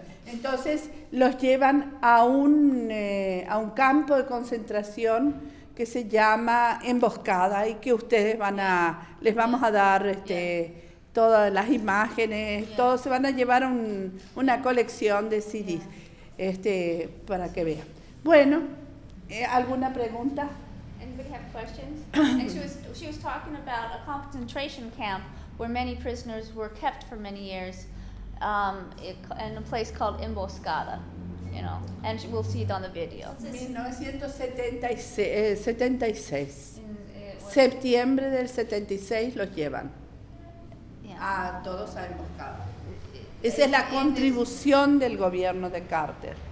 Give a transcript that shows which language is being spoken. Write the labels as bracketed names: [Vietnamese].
[Spanish] Entonces los llevan a un campo de concentración que se llama Emboscada, y que ustedes les vamos a dar todas las imágenes, todos se van a llevar una colección de CDs para que vean. Bueno, ¿alguna pregunta? [English] Anybody have questions? And she was talking about a concentration camp where many prisoners were kept for many years. In a place called Emboscada, you know, and we'll see it on the video. [Spanish] 1976. Septiembre del 76 los llevan. [English] Yeah. [Spanish] A todos a Emboscada. Esa es la contribución del gobierno de Carter.